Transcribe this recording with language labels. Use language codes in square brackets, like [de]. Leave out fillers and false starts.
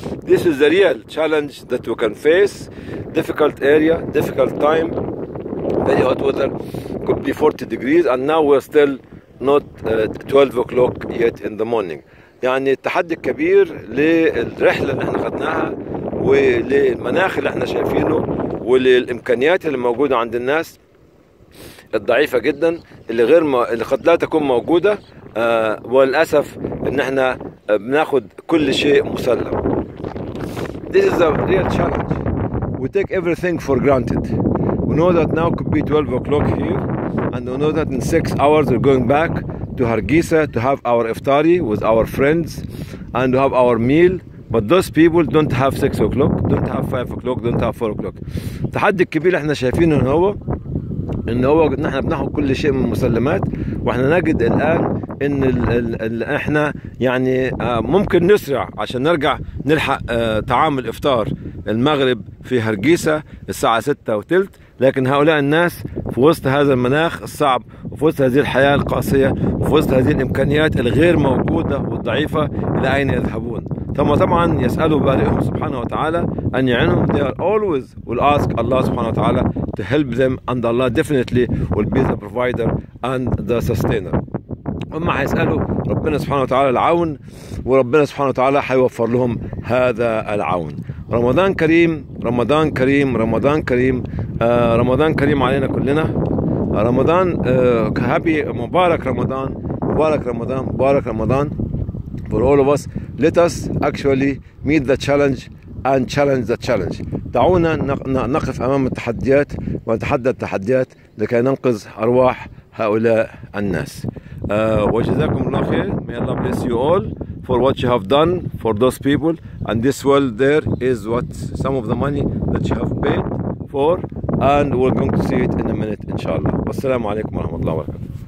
[en] This is the real challenge that we can face. Difficult area, difficult time, very hot weather, could be 40 degrees, and now we're still not 12 o'clock yet in the morning. [ar] يعني التحدي الكبير للرحلة اللي احنا خدناها وللمناخ اللي احنا شايفينه وللإمكانيات اللي موجودة عند الناس الضعيفة جدا اللي قد لا تكون موجودة، وللأسف ان احنا بناخد كل شيء مسلم. [en] This is a real challenge. We take everything for granted. We know that now could be 12 o'clock here. And we know that in 6 hours we're going back to Hargeisa to have our iftari with our friends and to have our meal. But those people don't have 6 o'clock, don't have 5 o'clock, don't have 4 o'clock. [ar] التحدي الكبير اللي احنا شايفينه ان هو ان احنا بناخد كل شيء من المسلمات، واحنا نجد الان ان احنا يعني ممكن نسرع عشان نرجع نلحق تعامل افطار المغرب في هرجيسة الساعة 6:30، لكن هؤلاء الناس في وسط هذا المناخ الصعب وفي وسط هذه الحياة القاسية وفي وسط هذه الإمكانيات الغير موجودة والضعيفة إلى أين يذهبون؟ ثم طبعا يسألوا بارئهم سبحانه وتعالى أن يعينهم. [en] They are always will ask Allah [ar] سبحانه وتعالى [en] to help them, and Allah definitely will be the provider and the sustainer. [ar] هم حيسألوا ربنا سبحانه وتعالى العون، وربنا سبحانه وتعالى حيوفر لهم هذا العون. رمضان كريم، رمضان كريم، رمضان كريم، رمضان كريم علينا كلنا. رمضان هابي، مبارك رمضان، مبارك رمضان، مبارك رمضان [en] for all of us. Let us actually meet the challenge and challenge the challenge. [ar] دعونا نقف أمام التحديات ونتحدى التحديات لكي ننقذ أرواح هؤلاء الناس. وجزاكم الله خير. [en] May Allah bless you all for what you have done for those people. And this world there is what some of the money that you have paid for. And we're going to see it in a minute, inshallah. [ar] Wassalamu alaikum warahmatullahi wabarakatuh.